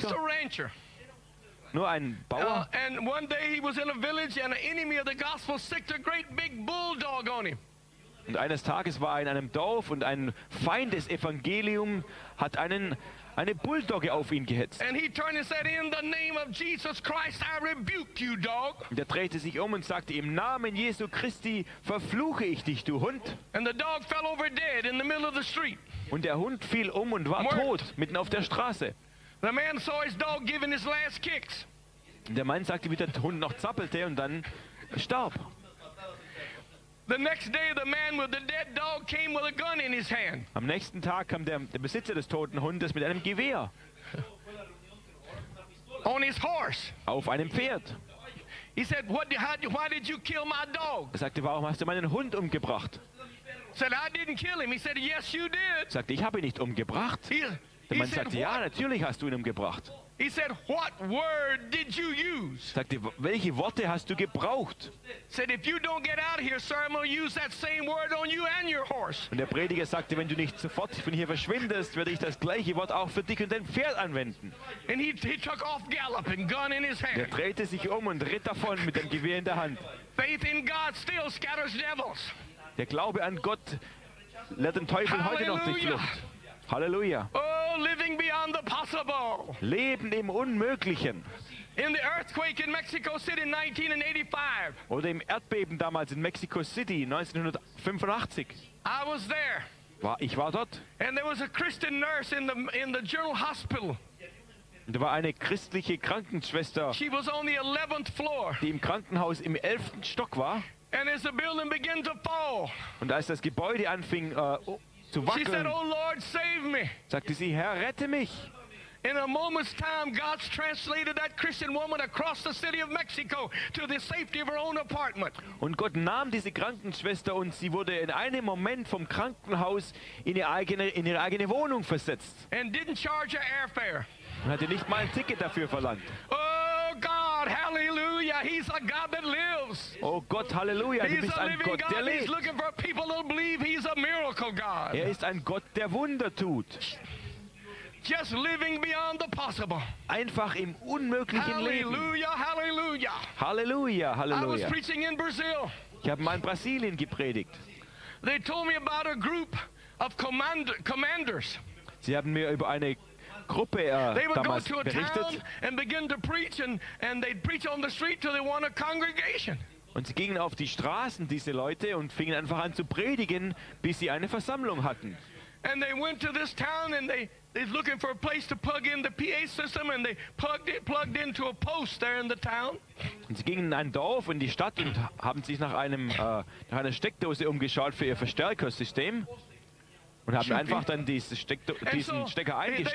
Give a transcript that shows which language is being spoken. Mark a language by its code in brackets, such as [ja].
[en] Just a rancher. [de] nur ein Bauer. [en] And one day he was in a village and an enemy of the gospel sicked a great big bulldog on him. [de] Und eines Tages war er in einem Dorf und ein Feind des Evangeliums hat eine Bulldogge auf ihn gehetzt. [en] And he turned and said, in the name of Jesus Christ, I rebuke you, dog. [de] Und er drehte sich um und sagte, im Namen Jesu Christi verfluche ich dich, du Hund. [en] And the dog fell over dead in the middle of the street. [de] Und der Hund fiel um und war tot, mitten auf der Straße. [en] The man saw his dog giving his last kicks. [de] Der Mann sagte, wie der Hund noch zappelte und dann starb. [en] The next day, the man with the dead dog came with a gun in his hand. [de] Am nächsten Tag kam der Besitzer des toten Hundes mit einem Gewehr. [en] On his horse. [de] Auf einem Pferd. [en] He said, why did you kill my dog? [de] Er sagte, warum hast du meinen Hund umgebracht? [en] Said, I didn't kill him. He said, yes, you did. [de] Sagte, ich habe ihn nicht umgebracht. Der Mann sagte, ja, natürlich hast du ihn umgebracht. [en] He said, what word did you use? [de] Sagte, welche Worte hast du gebraucht? [en] Said, if you don't get out of here, sir, I'm going to use that same word on you and your horse. [de] Und der Prediger sagte, wenn du nicht sofort von hier verschwindest, werde ich das gleiche Wort auch für dich und dein Pferd anwenden. [en] And he took off galloping, gun in his hand. [de] Der drehte sich um und ritt davon mit dem Gewehr in der Hand. [en] Faith in God still scatters devils. [de] Der Glaube an Gott lässt den Teufel heute noch durch die Luft. Halleluja. [en] Oh, living beyond the possible. [de] Leben im Unmöglichen. [en] In the earthquake in Mexico City in 1985. [de] Oder im Erdbeben damals in Mexico City 1985. [en] I was there. [de] Ich war dort. [en] And there was a Christian nurse in the general hospital. [de] Und da war eine christliche Krankenschwester. [en] She was on the 11th floor. [de] Die im Krankenhaus im 11. Stock war. [en] And as the building began to fall. [de] Und als das Gebäude anfing zu wackeln, [en] she said, oh Lord, save me. [de] Sagte sie, Herr, rette mich. [en] In a moment's time, God's translated that Christian woman across the city of Mexico to the safety of her own apartment. [de] Und Gott nahm diese Krankenschwester und sie wurde in einem Moment vom Krankenhaus in ihre eigene Wohnung versetzt. [en] And didn't charge her airfare. [de] Und hatte nicht mal ein Ticket dafür verlangt. [en] Oh God, hallelujah, he's a God that lives. [de] Oh Gott, hallelujah, du bist ein Gott, der lebt. [en] He's looking for people who believe he's a miracle God. [de] Er ist ein Gott, der Wunder tut. [en] Just living beyond the possible. [de] Einfach im unmöglichen hallelujah, Leben. Hallelujah, hallelujah. Hallelujah, [en] I was preaching in Brazil. [de] Ich habe mal in Brasilien gepredigt. [en] They told me about a group of commanders. [de] Sie haben mir über eine Gruppe [en] they would [de] damals [en] go to a [de] berichtet. [en] Town and begin to preach and they'd preach on the street till they want a congregation. [de] Und sie gingen auf die Straßen, diese Leute, und fingen einfach an zu predigen, bis sie eine Versammlung hatten. [en] And they went to this town and they looking for a place to plug in the PA system and they plugged into a post there in the town. [de] Und sie gingen in ein Dorf in die Stadt und haben sich nach einer Steckdose umgeschaut für ihr Verstärkersystem und haben einfach dann diesen Stecker eingesteckt.